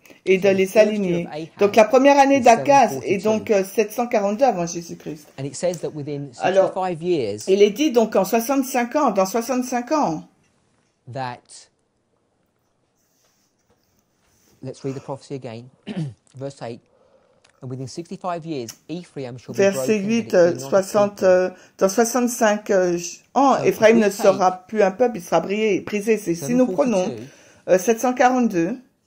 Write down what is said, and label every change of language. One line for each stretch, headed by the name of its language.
French: Et de les aligner. Donc, la première année d'Akaz est donc 742 avant Jésus-Christ. Alors, il est dit donc en 65 ans, dans 65 ans,
English: that, let's read the prophecy again, verse 8, and within 65 years, Ephraim shall be broken.
French: Verset 8, 60, dans 65 ans, Ephraim ne sera plus un peuple, il sera brisé. C'est si nous prenons 742,